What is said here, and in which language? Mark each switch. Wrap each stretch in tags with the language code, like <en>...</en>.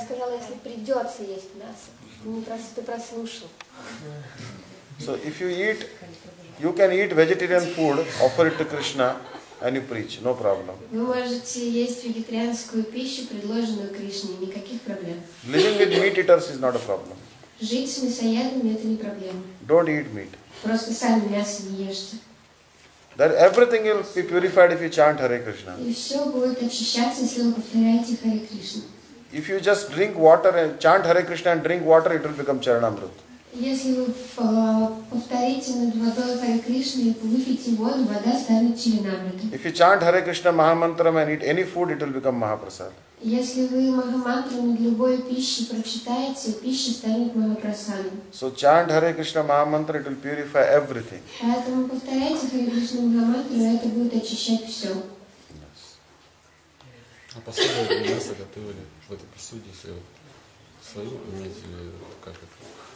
<ru>сказала, если придется есть мясо. Не просто ты прослушал.</ru> <en>So if you eat, you can eat vegetarian food, offer it to Krishna, and you preach, no problem.</en> <ru>Вы можете есть вегетарианскую пищу, предложенную Кришне, никаких проблем.</ru> <en>Living with meat eaters is not a problem.</en> <ru>Жить с мясоядами это не проблема.</ru> <en>Don't eat meat.</en> <ru>Просто сами мясо не ешьте.</ru> <en>That everything will be purified if you chant Hare Krishna.</en> <ru>И все будет очищаться, если вы повторяете Hare Krishna.</ru> <en>If you just drink water and chant Hare Krishna and drink water, it will become Charanamrut.</en> <ru>Если вы повторите над водой Hare Krishna и выпьете воду, вода станет Чаранамрутом.</ru> <en>If you chant Hare Krishna Mahamantra and eat any food, it will become Mahaprasad.</en> <ru>Если вы Махамантру над любой пищей прочитаете, пища станет Махапрасадом.</ru> <en>So chant Hare Krishna Mahamantra, it will purify everything.</en> <ru>Поэтому повторяйте Hare Krishna Mahamantra, это будет очищать все.</ru> <en>Yes.</en> <ru>А посуду или мясо готовили в этой посуде, если вот свою иметь или как это?</ru>